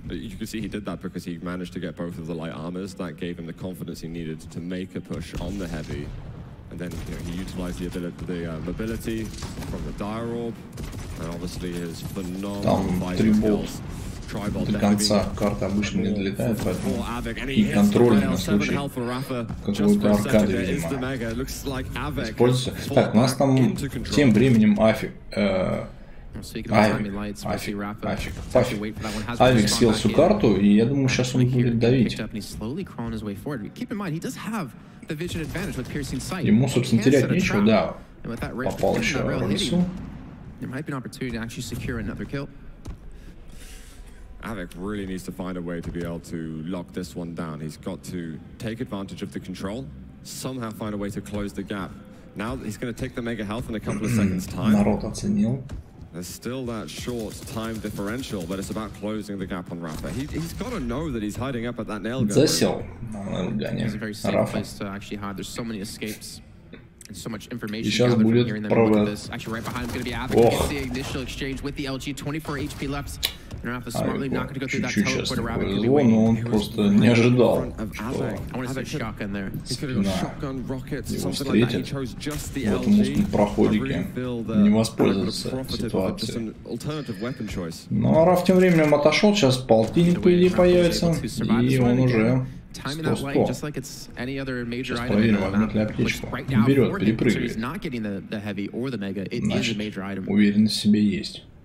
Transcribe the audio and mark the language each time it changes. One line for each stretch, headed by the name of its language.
English: You can see he did that because he managed to get both of the light armors. That gave him the confidence he needed to make a push on the heavy. And then you know, he utilized the ability, the mobility from the dire orb, and obviously his phenomenal fighting skills.
Russian: до конца карта обычно не долетает, поэтому и контроль на случай какого-то аркады, видимо, используется. Так, у нас там тем временем Av3k съел всю карту, и я думаю, сейчас он будет давить. Ему, собственно, терять нечего, да. Попал еще в рису.
English: Av3k really needs to find a way to be able to lock this one down. He's got to take advantage of the control, somehow find a way to close the gap. Now he's going to take the mega health in a couple of seconds time.
Russian: Народ оценил.
English: There's still that short time differential, but it's about closing the gap on Rapha. He's got to know that he's hiding up at that nail gun.
Russian: Засел на нейл гане.
English: It's a very safe Rapha. Place to actually hide. There's so many escapes. And so much information gathered from hearing them. Look at this. Actually, right behind him is going to be Av3k. Oh. The initial exchange with the LG. 24 HP left. And Rapha smartly not going to go through that teleporter. Av3k could be waiting.
Russian: Но он просто не ожидал.
English: I want to see a shotgun there. He's going to do shotgun rockets. Something like that. He chose just the LG.
Russian: В этом узком проходике. Не воспользоваться ситуацией. Ну, а Rapha тем временем отошел. Сейчас полтинник, по идее, появится. И он уже... 100-100. Сейчас проверим, возьмет ли аптечку. Берет, перепрыгивает. Значит, уверенность в себе есть.